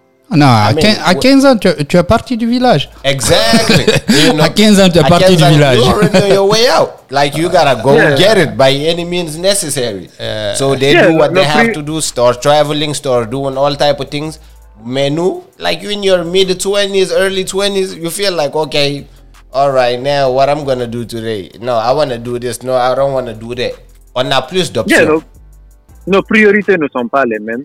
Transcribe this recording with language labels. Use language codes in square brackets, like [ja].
[fr] Non, à 15 ans, tu es parti du village. [en] Exactly. You know, [fr] à 15 ans, tu es parti du village. [en] You're already on your way out. Like, you gotta go get it by any means necessary. So they do what they have to do, start traveling, start doing all type of things. [fr] Mais nous, [en] like you in your mid-20s, early 20s, you feel like, okay, all right, now what I'm gonna do today? No, I wanna do this. No, I don't wanna do that. [fr] On a plus d'options. Yeah, nos priorités ne sont pas les mêmes.